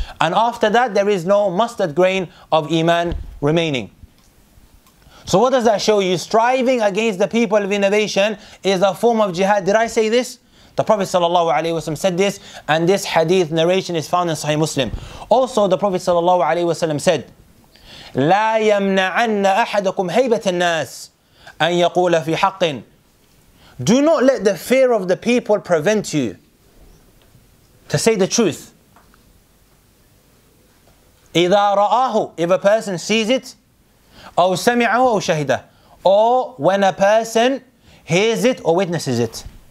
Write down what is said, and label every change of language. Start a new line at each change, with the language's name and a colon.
English: And after that, there is no mustard grain of iman remaining. So what does that show you? Striving against the people of innovation is a form of jihad. Did I say this? The Prophet sallallahu alaihi wasallam said this, and this hadith narration is found in Sahih Muslim. Also, the Prophet sallallahu alaihi wasallam said,
Arabic: لا يمنعن أحدكم هيبة الناس أن يقول في حق.
English: Do not let the fear of the people prevent you to say the truth.
Arabic: إذا رآه,
English: if a person sees it,
Arabic: أو سمعه أو شهده,
English: or when a person hears it or witnesses it.